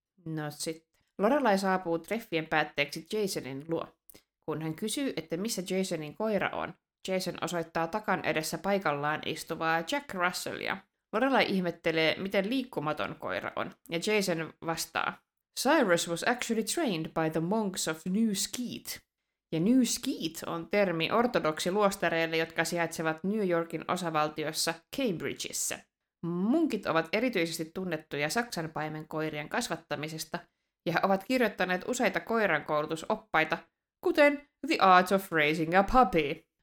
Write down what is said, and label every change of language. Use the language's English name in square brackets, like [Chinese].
[Finnish] No sitten. Lorelai saapuu treffien päätteeksi Jasonin luo. Kun hän kysyy, että missä Jasonin koira on, Jason osoittaa takan edessä paikallaan istuvaa Jack Russellia. Lorelai ihmettelee, miten liikkumaton koira on, ja Jason vastaa. [English] Cyrus was actually trained by the monks of New Skeet. [Finnish] Ja New Skeet on termi ortodoksiluostareille, jotka sijaitsevat New Yorkin osavaltiossa Cambridgeissa. Munkit ovat erityisesti tunnettuja saksanpaimen koirien kasvattamisesta ja ovat kirjoittaneet useita koirankoulutusoppaita, kuten The Art of Raising a Puppy.